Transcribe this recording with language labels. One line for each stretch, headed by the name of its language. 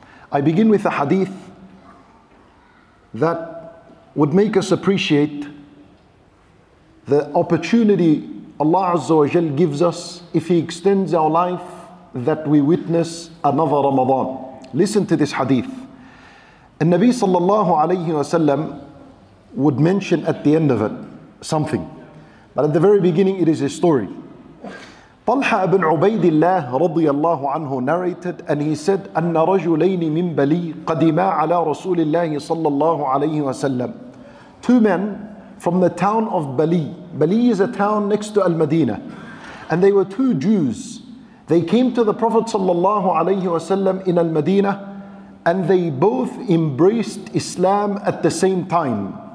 English: I begin with a hadith that would make us appreciate the opportunity Allah Azza wa Jal gives us if He extends our life that we witness another Ramadan. Listen to this hadith. And Nabi sallallahu alayhi wa sallam would mention at the end of it something. But at the very beginning it is a story.
Arabic: طلحة بن عبيد الله رضي الله عنه
English: narrated and he said
Arabic: أن رجلين من بلي قدما على رسول الله صلى الله عليه وسلم.
English: Two men from the town of Bali. Bali is a town next to Al-Madina. And they were two Jews. They came to the Prophet
Arabic: صلى الله عليه وسلم
English: in Al-Madina and they both embraced Islam at the same time.